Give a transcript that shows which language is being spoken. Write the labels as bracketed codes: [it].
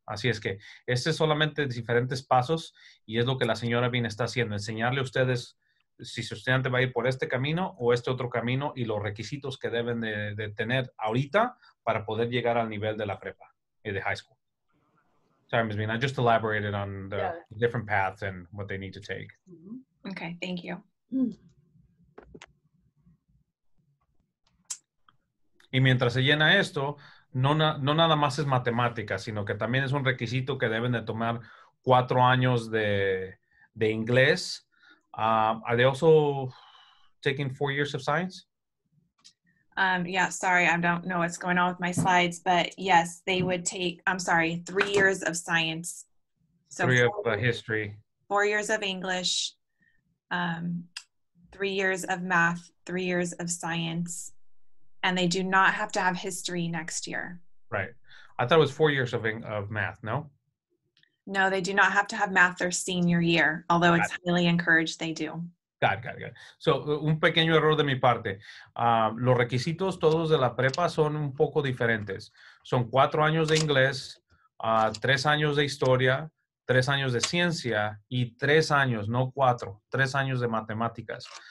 [es] Así es que este es solamente diferentes pasos y es lo que la señora Bean está haciendo, enseñarle a ustedes si su estudiante va a ir por este camino o este otro camino y los requisitos que deben de tener ahorita para poder llegar al nivel de la prepa y de high school. [en] Sorry, Ms. Bean, I just elaborated on the different paths and what they need to take. Mm-hmm. Okay, thank you. [es] Y mientras se llena esto, no nada más es matemática, sino que también es un requisito que deben de tomar 4 años de inglés. [en] Are they also taking 4 years of science? Yeah, sorry, I don't know what's going on with my slides, but yes, they would take, 3 years of science. So 3 of history. 4 years of English, 3 years of math, 3 years of science, and they do not have to have history next year. Right. I thought it was 4 years of math, no? No, they do not have to have math their senior year, although it's highly encouraged they do. Got it. So, [es] un pequeño error de mi parte. Los requisitos todos de la prepa son un poco diferentes. Son 4 años de inglés, 3 años de historia, 3 años de ciencia y 3 años, no 4, 3 años de matemáticas.